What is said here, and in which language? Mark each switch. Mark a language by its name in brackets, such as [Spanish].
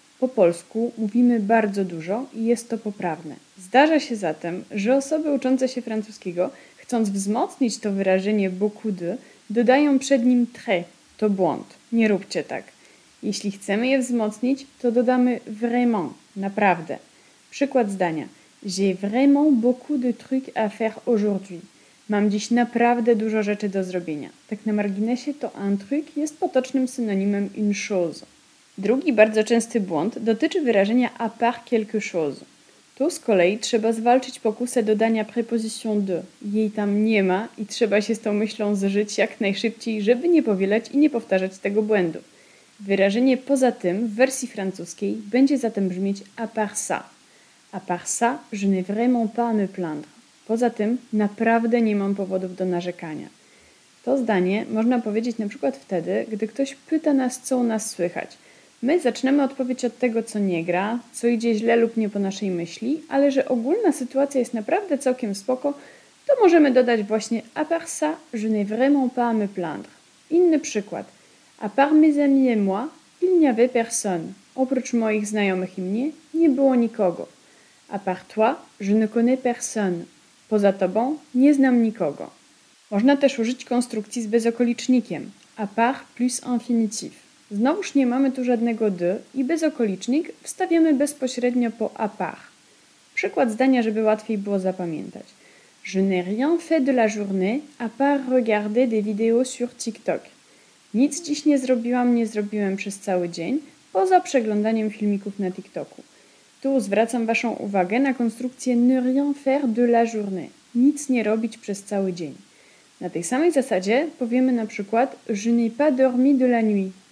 [Polish] Po polsku mówimy bardzo dużo i jest to poprawne. Zdarza się zatem, że osoby uczące się francuskiego, chcąc wzmocnić to wyrażenie beaucoup de, dodają przed nim très. To błąd. Nie róbcie tak. Jeśli chcemy je wzmocnić, to dodamy vraiment, naprawdę. Przykład zdania. [French] J'ai vraiment beaucoup de trucs à faire aujourd'hui. [Polish] Mam dziś naprawdę dużo rzeczy do zrobienia. Tak na marginesie to un truc jest potocznym synonimem une chose. Drugi bardzo częsty błąd dotyczy wyrażenia [French] à part quelque chose. [Polish] Tu z kolei trzeba zwalczyć pokusę dodania preposition de. Jej tam nie ma i trzeba się z tą myślą zżyć jak najszybciej, żeby nie powielać i nie powtarzać tego błędu. Wyrażenie poza tym w wersji francuskiej będzie zatem brzmieć [French] à part ça. À part ça, je n'ai vraiment pas à me plaindre. [Polish] Poza tym naprawdę nie mam powodów do narzekania. To zdanie można powiedzieć na przykład wtedy, gdy ktoś pyta nas, co u nas słychać. My zaczynamy odpowiedź od tego, co nie gra, co idzie źle lub nie po naszej myśli, ale że ogólna sytuacja jest naprawdę całkiem spoko, to możemy dodać właśnie [French] à part ça, je n'ai vraiment pas à me plaindre. [Polish] Inny przykład. [French] À part mes amis et moi, il n'y avait personne. [Polish] Oprócz moich znajomych i mnie, nie było nikogo. [French] À part toi, je ne connais personne. [Polish] Poza tobą, nie znam nikogo. Można też użyć konstrukcji z bezokolicznikiem. [French] À part plus infinitif. [Polish] Znowuż nie mamy tu żadnego de i bezokolicznik wstawiamy bezpośrednio po à part. Przykład zdania, żeby łatwiej było zapamiętać. [French] Je n'ai rien fait de la journée à part regarder des vidéos sur TikTok. [Polish] Nic dziś nie zrobiłem przez cały dzień, poza przeglądaniem filmików na TikToku. Tu zwracam Waszą uwagę na konstrukcję [French] ne rien faire de la journée. [Polish] Nic nie robić przez cały dzień. Na tej samej zasadzie powiemy na przykład [French] je n'ai pas dormi de la nuit.